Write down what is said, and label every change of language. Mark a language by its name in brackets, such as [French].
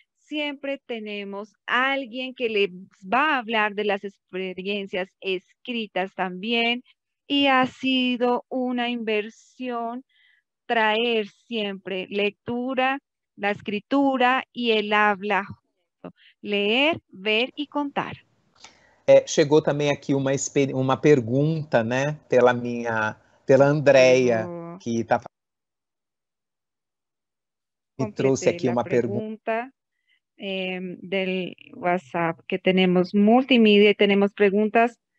[Spanish] Siempre tenemos a alguien que les va a hablar de las experiencias escritas también. Y ha sido una inversión traer siempre lectura, la escritura y el habla junto. Leer, ver y contar. [Portuguese] Chegou também aqui uma pergunta, né, pela Andrea, que está falando. Trouxe aqui uma pergunta. [Spanish] Del WhatsApp, que tenemos multimedia y tenemos preguntas.